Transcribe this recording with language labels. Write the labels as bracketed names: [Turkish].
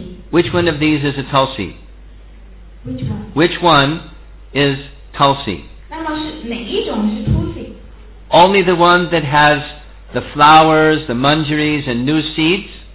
[English] Which one of these is a Tulsi? Which one? Which one is Tulsi? [Chinese] 那么是哪一种是Tulsi? [English] Only the one that has the flowers, the manjaris, and new seeds?